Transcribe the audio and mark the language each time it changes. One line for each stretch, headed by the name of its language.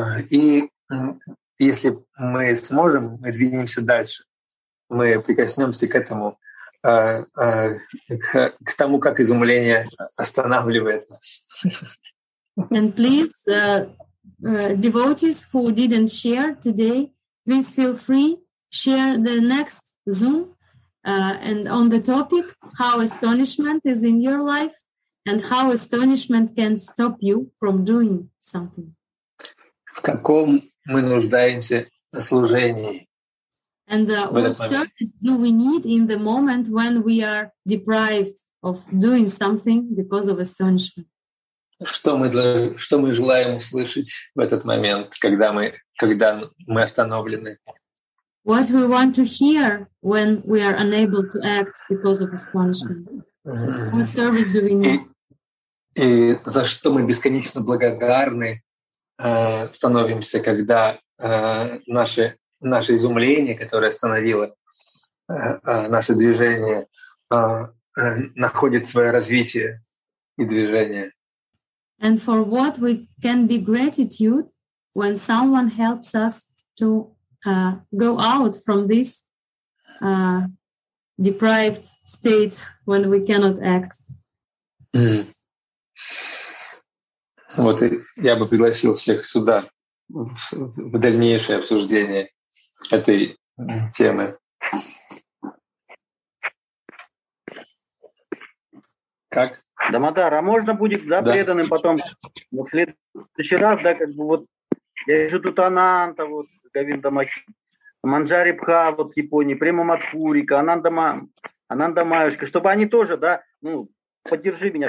Russian: И если мы сможем, мы двинемся дальше, мы прикоснемся к этому, к тому, как изумление останавливает нас.
English: And please, devotees who didn't share today, please feel free share the next Zoom and on the topic how astonishment is in your life and how astonishment can stop you from doing something.
Russian: В каком мы нуждаемся в служении?
English: And what service do we need in the moment when we are deprived of doing something because of astonishment?
Russian: Что мы желаем услышать в этот момент, когда мы остановлены?
English: What we want to hear when we are unable to act because of astonishment. What service do we need?
Russian: И за что мы бесконечно благодарны становимся, когда наше изумление, которое остановило наше движение, находит свое развитие и движение.
English: And for what we can be gratitude when someone helps us to go out from this deprived state when we cannot act. Mm.
Russian: Вот я бы пригласил всех сюда в дальнейшее обсуждение этой темы. Как? Дамодар, а можно будет, да, преданным потом в следующий раз, да, как бы вот я вижу тут Ананта, вот Говинда Махи, Манджари Пха вот с Японии, Према Матхурика, Ананда Маюшка, чтобы они тоже, да, ну, поддержи меня.